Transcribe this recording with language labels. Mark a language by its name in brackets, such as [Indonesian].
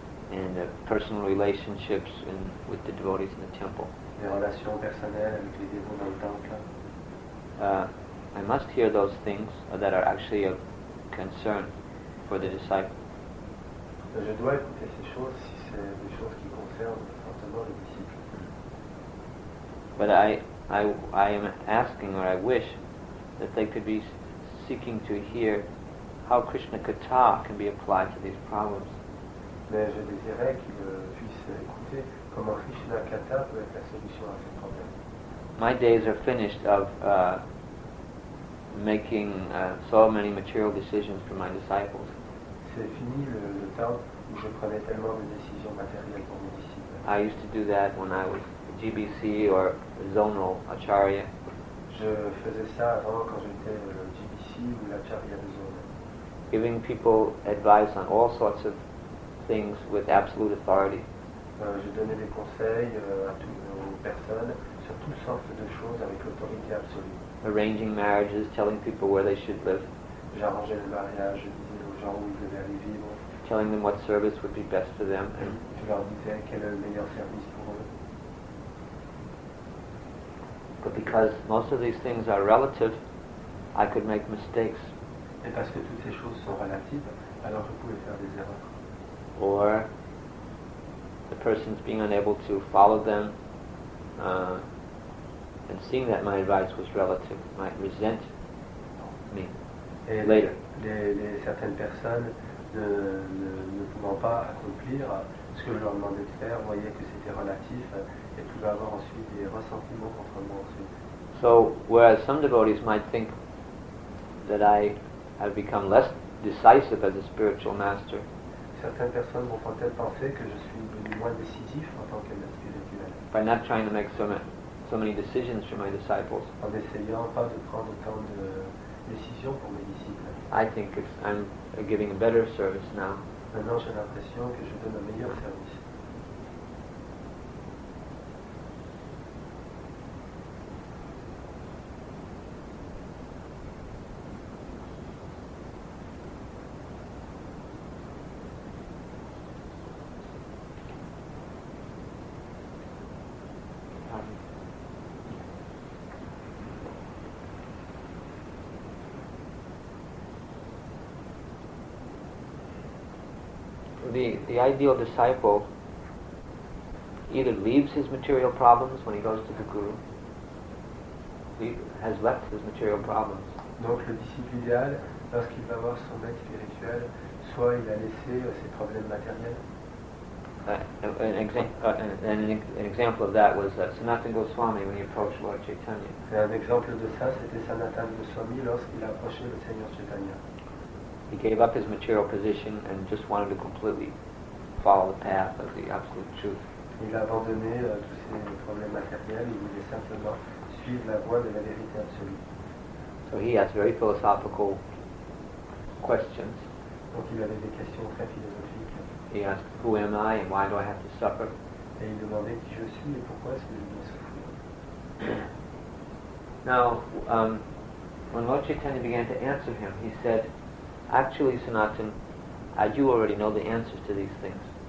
[English] And personal relationships with the devotees in the temple. [French] Des relations personnelles avec les dévots dans le temple. [English] I must hear those things that are actually of concern for the disciple. [French] Je dois écouter ces choses si c'est des choses qui concernent fortement le disciple. [English] But I am asking, or I wish, that they could be seeking to hear how Krishna Katha can be applied to these problems. [French] Mais je désirais qu'ils puissent écouter comment Krishna Katha peut être la solution à ces problèmes. [English] My days are finished of making so many material decisions for my disciples. [French] C'est fini le temps où je prenais tellement de décisions matérielles pour mes disciples. [English] I used to do that when I was GBC or zonal acharya. [French] Je faisais ça avant quand j'étais le GBC ou l'acharya de zone. [English] Giving people advice on all sorts of things with absolute authority. [French] Je donnais des conseils aux personnes sur toutes sortes de choses avec autorité absolue. [English] Arranging marriages, telling people where they should live. [French] J'arrangeais le mariage, je disais aux gens où ils devaient aller vivre. [English] Telling them what service would be best for them. [French] Je leur leur disais quel est le meilleur service pour eux. [English] But because most of these things are relative, I could make mistakes. [French] Et parce que toutes ces choses sont relatives, alors je pouvais faire des erreurs. [English] Or the person's being unable to follow them, and seeing that my advice was relative, might resent me [French] et [English] later. [French] Les certaines personnes ne pouvant pas accomplir ce que je leur demandais de faire, voyaient que c'était relatif et pouvaient avoir ensuite des ressentiments contre moi ensuite. [English] So, whereas some devotees might think that I have become less decisive as a spiritual master. [French] Certaines personnes vont peut-être penser que je suis moins décisif en tant que maître spirituel. [English] By not trying to make so many decisions for my disciples. [French] En n'essayant pas de prendre tant de décisions pour mes disciples. [English] I think I'm giving a better service now. [French] Maintenant, j'ai l'impression que je donne un meilleur service. [English] The ideal disciple either leaves his material problems when he goes to the guru. Has left his material problems. [French] Donc le disciple idéal, lorsqu'il va voir son maître spirituel, soit il a laissé ses problèmes matériels. [English] An example of that was Sanatana Goswami when he approached Lord Chaitanya. [French] Un exemple de ça, c'était Sanatana Goswami lorsqu'il approchait le Seigneur Chaitanya. [English] He gave up his material position and just wanted to completely follow the path of the absolute truth. [French] Il a abandonné tous ses problèmes matériels. Il voulait simplement suivre la voie de la vérité absolue. [English] So he asked very philosophical questions. [French] Donc il avait des questions très philosophiques. [English] He asked, "Who am I, and why do I have to suffer?" [French] Et il demandait qui je suis et pourquoi est-ce que je dois souffrir. [English] Now, when Lord Chaitanya began to answer him, he said, "Actually, Sanatan, I do already know the answers to these things."